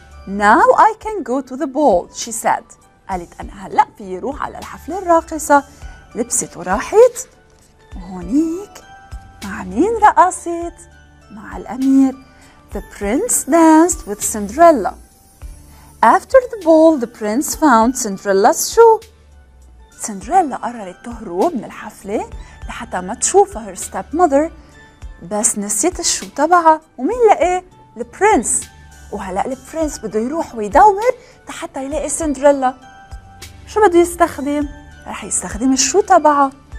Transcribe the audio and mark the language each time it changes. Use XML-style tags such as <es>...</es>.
<en>Now I can go to the ball, she said.</en> <ar>قالت أنا هلأ في روح على الحفلة الراقصة. لبست وراحت. وهونيك مع مين رقصت؟ مع الأمير.</ar> <en>The prince danced with Cinderella. After the ball, the prince found Cinderella's shoe.</en> <ar>سندريلا قررت تهرب من الحفلة لحتى ما تشوفها</ar> <en>her stepmother،</en> <ar>بس نسيت الشو تبعها. ومين لقاه؟ البرنس. وهلأ البرنس بده يروح ويدور حتى يلاقي سندريلا. شو بده يستخدم؟ رح يستخدم الشو تبعها.</ar>